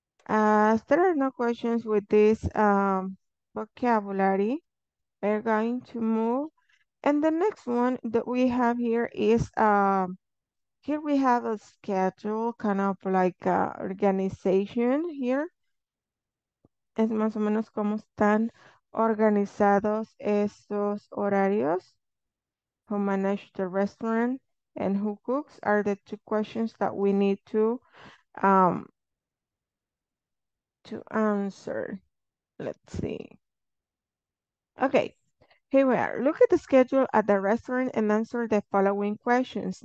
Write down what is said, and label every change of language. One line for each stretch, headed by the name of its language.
English: If there are no questions with this vocabulary, we're going to move. And the next one that we have here is, here we have a schedule, kind of like organization here.
Spanish: Es más o menos cómo están organizados estos horarios.
English: Who manage the restaurant and who cooks are the two questions that we need to answer. Let's see. Okay. Here we are. Look at the schedule at the restaurant and answer the following questions.